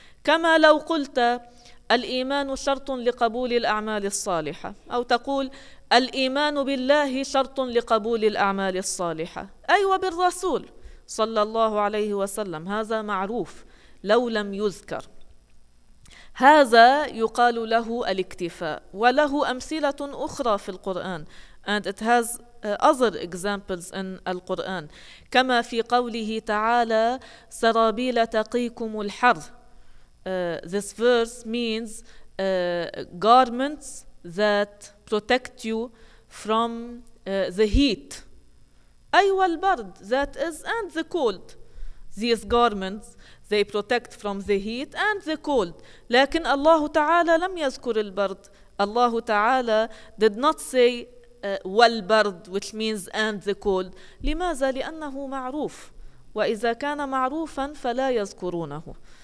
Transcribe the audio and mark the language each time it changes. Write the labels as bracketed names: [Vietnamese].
[Arabic] كما لو قلت الإيمان شرط لقبول الأعمال الصالحة, أو تقول الإيمان بالله شرط لقبول الأعمال الصالحة, أي وبالرسول صلى الله عليه وسلم, هذا معروف لو لم يذكر. هذا يقال له الاكتفاء, وله أمثلة أخرى في القرآن, [English] and it has other examples in [Arabic] القرآن, كما في قوله تعالى سرابيل تقيكم الحر. [English] This verse means garments that protect you from the heat. [Arabic] أي والبرد, [English] that is, and the cold. These garments, they protect from the heat and the cold. [Arabic] لكن الله تعالى لم يذكر البرد. [English] الله تعالى did not say والبرد, which means and the cold. [Arabic] لماذا؟ لأنه معروف. وإذا كان معروفا فلا يذكرونه.